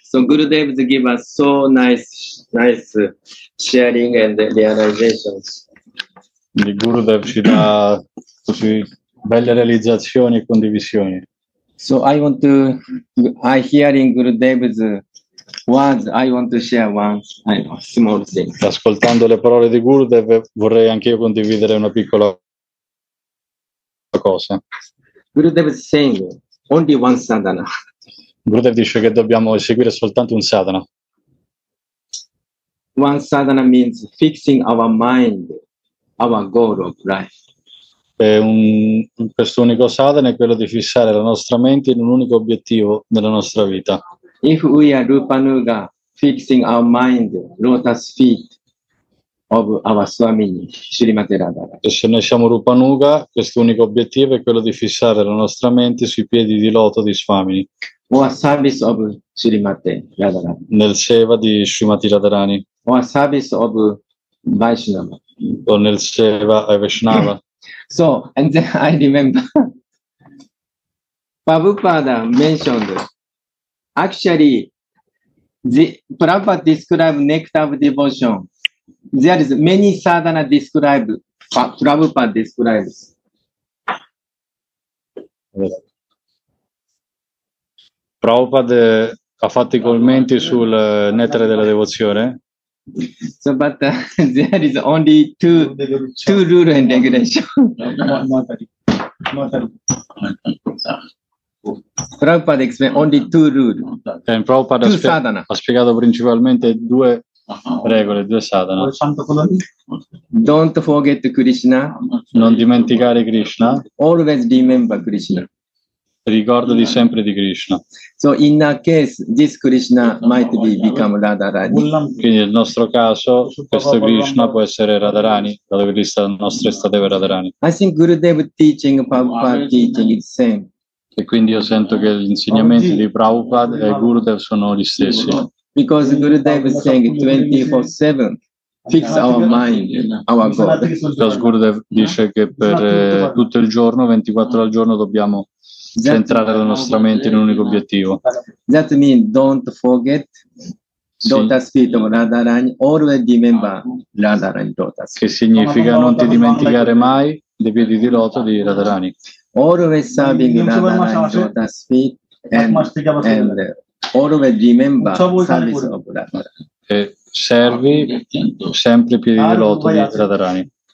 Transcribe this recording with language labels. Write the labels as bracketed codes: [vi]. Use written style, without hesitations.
[en] So Gurudev gave us so nice sharing and realizations. [it] Il Gurudev ci dà così belle realizzazioni e condivisioni. [en] So I want to, I hearing Gurudev's words, I want to share one small thing. [it] Ascoltando le parole di Gurudev, vorrei anche io condividere una piccola cosa. [en] Gurudev is saying only one sadhana. [it] Gurudev dice che dobbiamo eseguire soltanto un sadhana. [en] One sadhana means fixing our mind, our goal of life. [it] Questo unico sadhana è quello di fissare la nostra mente in un unico obiettivo nella nostra vita. [en] If we are Rupanuga, fixing our mind, lotus feet of our Swami, Srimati Radharani. [it] E se noi siamo Rupanuga, questo unico obiettivo è quello di fissare la nostra mente sui piedi di loto di Swami. [en] Or service of Srimati Radharani. [it] Nel seva di Srimati Radharani. [en] Or service of Vaishnava. [it] O nel seva a Vaishnava. [en] So, and then I remember, Prabhupada mentioned, actually, the Prabhupada described nectar of devotion. There is many sadhana described, Prabhupada describes. [it] Prabhupada ha fatto i commenti sul nettare della devozione. [en] So, but there is only two rules and regulations. Prabhupada explained only two rules. And [it] Prabhupada ha spiegato principalmente due regole, due sadhana. [en] Don't forget Krishna. [it] Non dimenticare Krishna. [en] Always remember Krishna. [it] Ricordati sempre di Krishna. [en] So in a case this Krishna might become Radharani. [it] Quindi nel nostro caso questo Krishna può essere Radharani, dalla vista nostra è stato Radharani. [en] I think Gurudev teaching, Prabhupada teaching is same. [it] E quindi io sento che gli insegnamenti di Prabhupada e Gurudev sono gli stessi. [en] Because Gurudev is saying 24/7. Fix our mind, our God. Because [it] Gurudev dice che per tutto il giorno, 24 al giorno, dobbiamo centrare la nostra mente in un unico obiettivo. [en] That means don't forget lotus feet of Radharani, always remember Radharani lotus. [it] Che significa non ti dimenticare mai dei piedi di loto di Radharani. [en] Always serving Radharani lotus feet and always remember service of Radharani. [it] Servi sempre i piedi di loto di Radharani.